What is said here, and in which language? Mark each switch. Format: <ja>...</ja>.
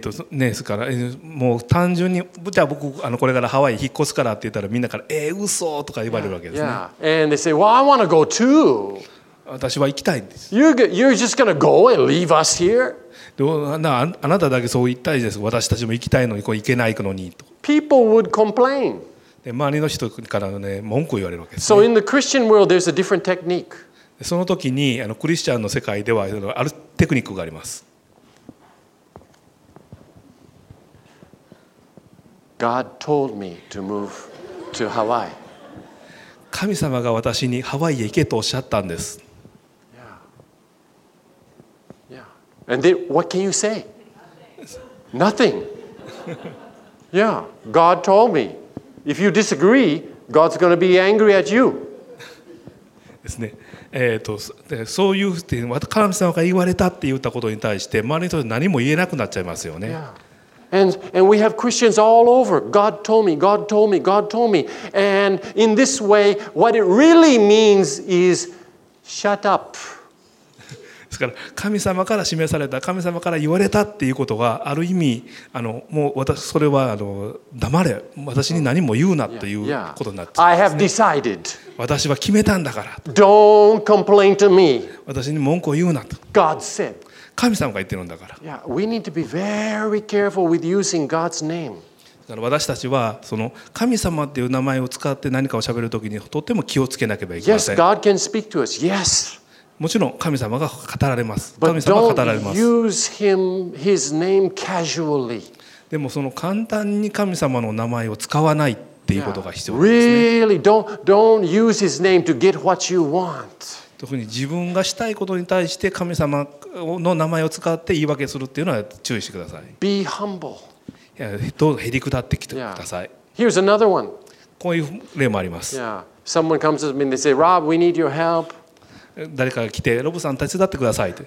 <ja>ね、ですからもう単純にじゃあ僕これからハワイ引っ越すからって言ったらみんなから嘘とか言われるわけですね。</ja> <en>Yeah, yeah. And they say, well, I want to go too.</en> <ja>私は行きたいんです。</ja> <en>You're just going to go and leave us here?</en> <ja>どうなあなただけそう言ったりです。私たちも行きたいのにこう行けないのにと。</ja> <en>People would complain.</en> <ja>で周りの人から、ね、文句を言われるわけです、ね、</ja> <en>So in the Christian world, there's a different technique.</en> <ja>その時にクリスチャンの世界ではあるテクニックがあります。</ja> <en>God told me to move to Hawaii.</en> <ja>神様が私にハワイへ行けとおっしゃったんです。</ja> <en>Yeah. Yeah. And then what can you say? Nothing. Yeah. God told me. If you disagree, God's going to be angry at you.</en> <ja>ですね。そういうふうに神様が言われたって言ったことに対して周りの人は何も言えなくなっちゃいますよね。</ja> <en>Yeah. And we have Christians all over. God told me, God told me, God told me. And in this way, what it really means is shut up.</en> <ja>ですから神様から示された、神様から言われたっていうことがある意味、もう私それは黙れ、私に何も言うなということになっちゃうんですね。私は決めたんだから。</ja> <en>Don't complain to me.</en> <ja>私に文句を言うなと。</ja> <en>God said.</en> <ja>神様が言ってるんだから。</ja> <en>Yeah, we need to be very careful with using God's name.</en> <ja>だから私たちはその神様っていう名前を使って何かを喋るときにとっても気をつけなければいけません。</ja> <en>Yes, God can speak to us. Yes.</en> <ja>もちろん神様が語られます。</ja> <en>But、</en> <ja>神様が語られます。</ja> <en>Don't use his name casually.</en> <ja>でもその簡単に神様の名前を使わないっていうことが必要ですね。</ja> <en>Really, don't use his name to get what you want.</en> <ja>特に自分がしたいことに対して神様の名前を使って言い訳するっていうのは注意してください。</ja> <en>Be humble.</en> <ja>どうぞへりくだってきてください。</ja> <en>Yeah. Here's another one.</en> <ja>こういう例もあります。</ja> <en>Yeah. Someone comes to me and they say, Rob, we need your help.</en> <ja>誰かが来て、ロブさん、手伝ってくださいと。</ja>